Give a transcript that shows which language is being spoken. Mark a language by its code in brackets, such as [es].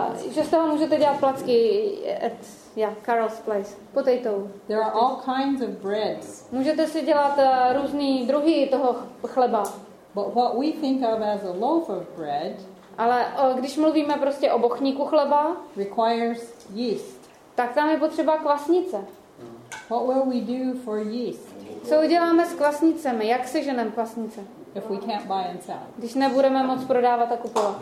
[cs] Že z toho můžete dělat placky [en] at Carol's place. Potato. There are all kinds of breads. [cs] Můžete si dělat různý druhy toho chleba. [en] But what we think of as a loaf of bread. [cs] Ale když mluvíme prostě o bochníku chleba. [en] Requires yeast. [cs] Tak tam je potřeba kvasnice. [en] What will we do for yeast? [cs] Co uděláme s kvasnicemi? Jak si ženeme kvasnice? [en] If we can't buy and sell. [cs] Když nebudeme moc prodávat a kupovat.